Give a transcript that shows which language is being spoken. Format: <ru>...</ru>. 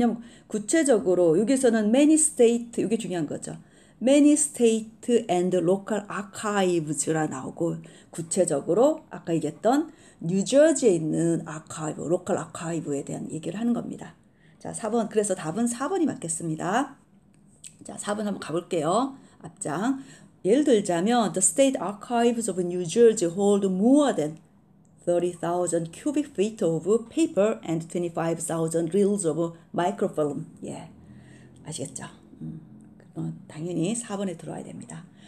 <ko>왜냐면 구체적으로 여기서는 many state 이게 중요한 거죠.</ko> <en>Many state and local archives</en> <ko>라 나오고 구체적으로 아까 얘기했던 뉴저지에 있는 아카이브, 로컬 아카이브에 대한 얘기를 하는 겁니다. 자, 4번. 그래서 답은 4번이 맞겠습니다. 자, 4번 한번 가볼게요. 앞장. 예를 들자면</ko> <en>The state archives of New Jersey hold more than 30,000 cubic feet of paper and 25,000 reels of microfilm.</en> <ko>예, 아시겠죠? 당연히 4번에 들어와야 됩니다.</ko>